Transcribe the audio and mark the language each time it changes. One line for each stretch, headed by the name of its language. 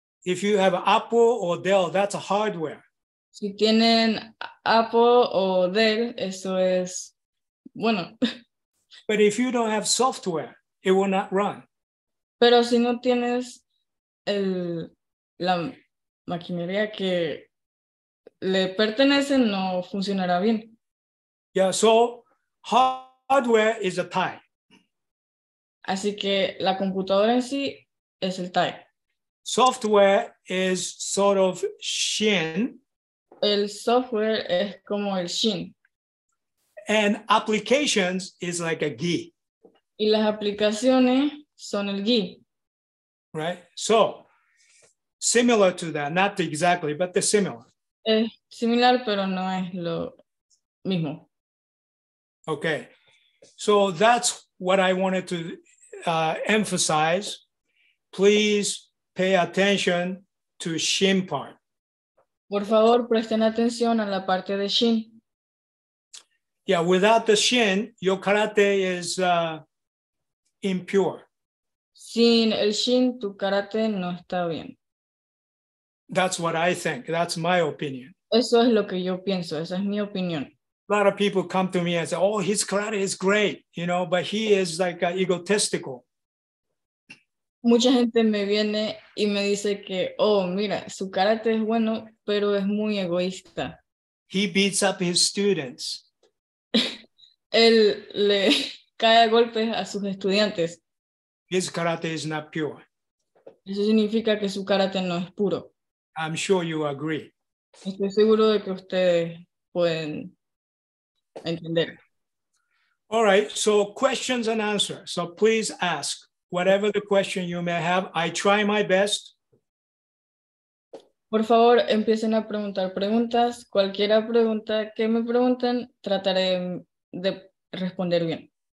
English: If you have Apple or Dell, that's a hardware.
Spanish: Si tienen Apple o Dell, eso es bueno.
English: But if you don't have software, it will not run.
Spanish: Pero si no tienes el la maquinaria que le pertenece, no funcionará bien.
English: Yeah, so hardware is a tie.
Spanish: Así que la computadora en sí es el tie.
English: Software is sort of shin.
Spanish: El software es como el shin.
English: And applications is like a gi.
Spanish: Y las aplicaciones son el gi.
English: Right? So, similar to that, not exactly, but they're similar.
Spanish: Es similar, pero no es lo mismo.
English: Okay. So that's what I wanted to emphasize. Please pay attention to shin part.
Spanish: Por favor, presten atención a la parte de shin.
English: Yeah, without the shin, your karate is impure.
Spanish: Sin el shin, tu karate no está bien.
English: That's what I think. That's my opinion.
Spanish: Eso es lo que yo pienso. Esa es mi opinión.
English: A lot of people come to me and say, oh, his karate is great, you know, but he is like egotistical.
Spanish: Mucha gente me viene y me dice que, oh, mira, su karate es bueno, pero es muy egoísta.
English: He beats up his students.
Spanish: Él le cae a golpes a sus estudiantes.
English: His karate is not pure.
Spanish: Eso significa que su karate no es puro.
English: I'm sure you agree.
Spanish: Estoy seguro de que ustedes pueden entender.
English: All right, so questions and answers. So please ask. Whatever the question you may have, I try my best.
Spanish: Por favor, empiecen a preguntar preguntas. Cualquiera pregunta que me pregunten, trataré de responder bien.